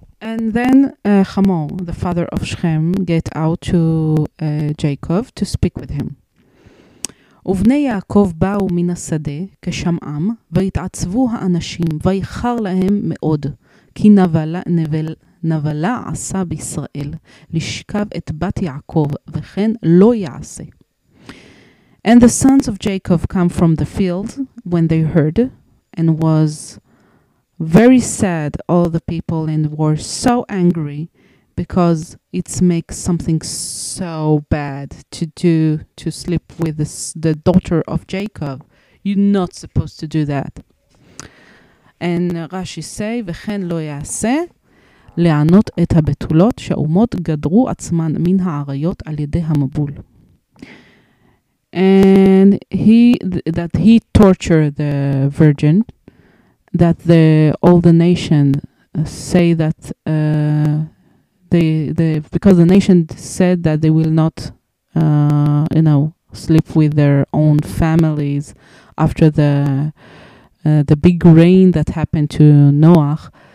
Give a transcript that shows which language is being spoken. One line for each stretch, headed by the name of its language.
English: And then Hamor, the father of Shechem, get out to Jacob to speak with him.
Hebrew: ובני יעקב באו מן השדה כשמעם, והתעצבו האנשים, ויחר להם מאוד, כי נבלה עשה בישראל לשכב את בת יעקב, וכן לא יעשה.
English: And the sons of Jacob come from the field when they heard, and was very sad all the people and were so angry because it makes something so bad to do, to sleep with the daughter of Jacob. You're not supposed to do that. And Rashi say,
Hebrew: וכן לא יעשה לענות את הבתולות שאומות גדרו עצמן מן העריות על ידי המבול.
English: And he tortured the virgin, that all the nation say that because the nation said that they will not sleep with their own families after the big rain that happened to Noah